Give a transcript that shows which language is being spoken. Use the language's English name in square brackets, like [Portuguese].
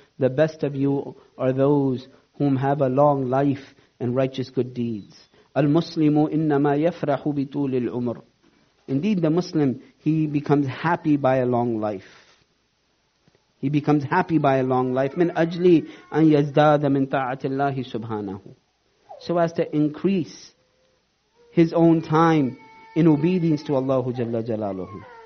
[English] The best of you are those whom have a long life and righteous good deeds. [Arabic] Al-Muslimu innama yafrahu bitulil umur. [English] Indeed, the Muslim, he becomes happy by a long life. He becomes happy by a long life. [Arabic] من أجل أن يزداد من طاعة الله سبحانه. [English] So as to increase his own time in obedience to Allah Jalla Jalaluhu.